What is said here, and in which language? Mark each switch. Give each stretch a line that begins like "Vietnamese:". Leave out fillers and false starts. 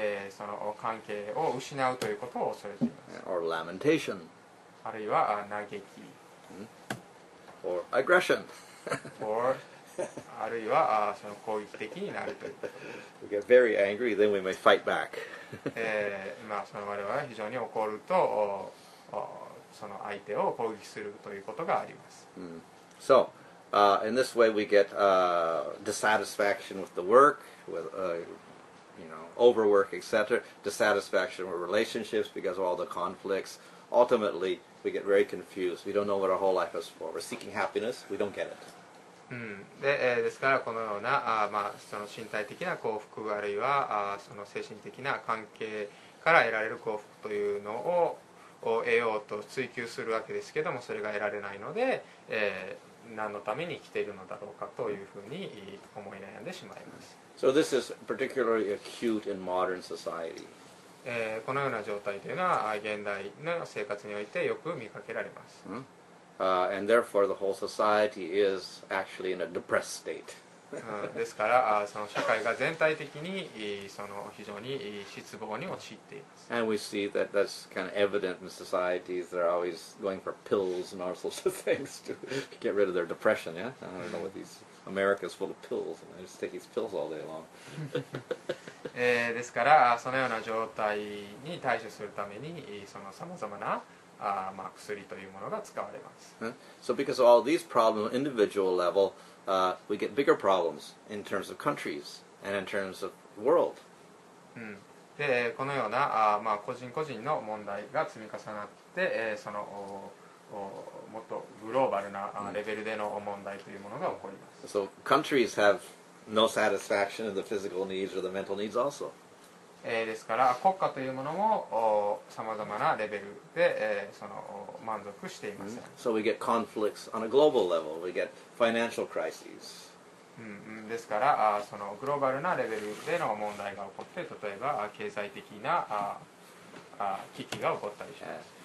Japanese: その関係を失うということを恐れています。
English: Or lamentation.
Japanese: あるいは嘆き。
English: Or aggression.
Japanese: Or あるいはその攻撃的になるということ。
English: We get very angry, then we may fight back.
Japanese: まあその我々は非常に怒るとその相手を攻撃するということがあります。
English: So. In this way, we get dissatisfaction with the work, with you know, overwork, etc. Dissatisfaction with relationships because of all the conflicts. Ultimately, we get very confused. We don't know what our whole life is for. We're seeking happiness. We don't get it.
Japanese: で、ですからこのような、まあ、その身体的な幸福あるいは、その精神的な関係から得られる幸福というのを、得ようと追求するわけですけども、それが得られないので。何のために生きているのだろうかというふうに思い悩んでしまいます。
English: So this is particularly acute in modern society.
Japanese: このような状態というのは現代の生活においてよく見かけられます、
English: And therefore the whole society is actually in a depressed state.
Japanese: ですからその社会が全体的にその非常に失望に陥っています。
English: And we see that that's kind of evident in societies. They're always going for pills and all sorts of things to get rid of their depression. Yeah, I don't know what these America's full of pills and they just take these pills all day long.
Japanese: ですからそのような状態に対処するためにそのさまざまな薬というものが使われます。
English: So because of all these problems on individual level, we get bigger problems in terms of countries and in terms of world.
Japanese: で、このような個人個人の問題が積み重なって、その、もっとグローバルなレベルでの問題というものが起こります。
English: So countries have no satisfaction in the physical needs or the mental needs also.
Japanese: ですから国家というものもさまざまなレベルで、その満足していません。
English: So we get conflicts on a global level. We get financial crises.
Japanese: ですからそのグローバルなレベルでの問題が起こって、例えば経済的な危機が起こったりします。